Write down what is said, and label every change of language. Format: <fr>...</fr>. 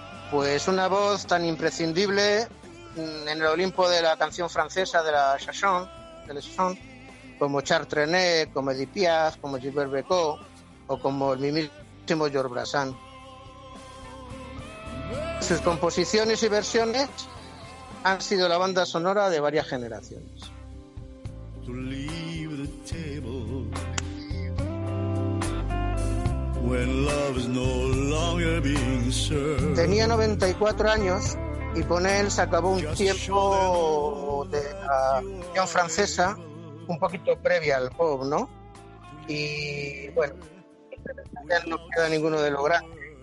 <es>Pues una voz tan imprescindible en el Olimpo de la canción francesa, de la chanson, como Charles Trenet, como Edith Piaf, como Gilbert Bécaud o como el mismísimo Georges Brassens. Sus composiciones y versiones han sido la banda sonora de varias generaciones.</es> <en>To leave the table when love is no longer being served.</en> <es>Tenía 94 años y con él se acabó un tiempo de la canción francesa un poquito previa al pop, ¿no? Y bueno, ya no queda ninguno de los grandes.</es>